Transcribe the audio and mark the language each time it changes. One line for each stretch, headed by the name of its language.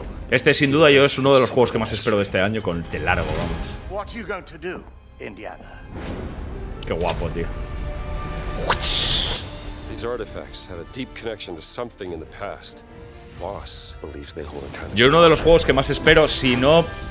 Spanish: Este, sin duda, yo es uno de los juegos que más espero de este año, con de largo, vamos. Qué guapo, tío.
English: These artifacts have a deep connection to something in the past. Boss believes they hold a kind of...
Spanish: Yo uno de los juegos que más espero, si no...